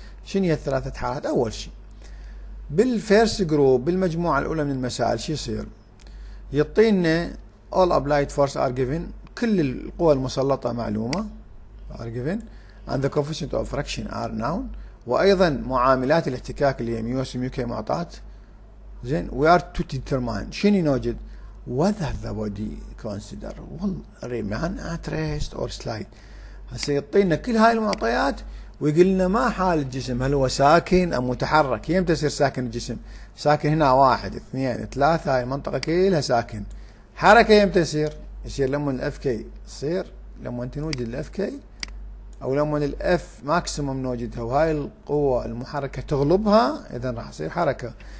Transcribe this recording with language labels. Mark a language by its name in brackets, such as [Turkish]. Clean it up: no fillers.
[Arabic] شنو هي الثلاثة حالات؟ اول شيء بالفيرست جروب بالمجموعة الاولى من المسائل شو يصير؟ يعطينا [English] all applied force are given، [Arabic] كل القوى المسلطة معلومة [English] are given، and the coefficient of friction are known، [Arabic] وايضا معاملات الاحتكاك اللي هي ميو اس ميو كي معطات. [English] زين، we are to determine [Arabic] شنو نوجد [English] whether the body consider will remain at rest or slide. [Arabic] هسه يعطينا كل هاي المعطيات ويقول لنا ما حال الجسم، هل هو ساكن ام متحرك؟ يمتى يصير ساكن الجسم؟ ساكن هنا واحد اثنين ثلاثة، هاي المنطقة كلها ساكن. حركة يمتى يصير؟ يصير لما الاف كي يصير، لما تنوجد الاف كي او لما الاف ماكسيموم نوجدها وهاي القوة المحركة تغلبها، اذا راح تصير حركة.